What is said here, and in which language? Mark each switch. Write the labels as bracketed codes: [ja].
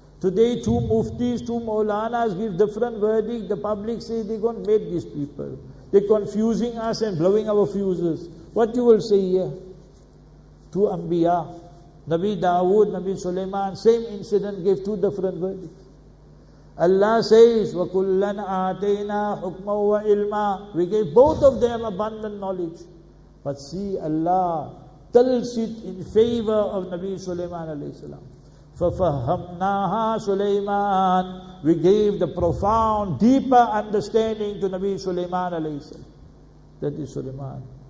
[en] Today two muftis, two maulanas give different verdict. The public say they got made these people. They're confusing us and blowing our fuses. What you will say here? Two anbiya, Nabi Dawood, Nabi Sulaiman, same incident gave two different verdicts. Allah says, [ar] وَكُلَّنْ آتَيْنَا حُكْمًا وَعِلْمًا. [en] We gave both of them abundant knowledge. But see, Allah tells it in favor of Nabi Sulaiman alayhi salam. [ar] فَفَهَّمْنَاهَا سُلَيْمَانَ. [en] We gave the profound, deeper understanding to Nabi Sulaiman alayhi salam. That is Sulaiman.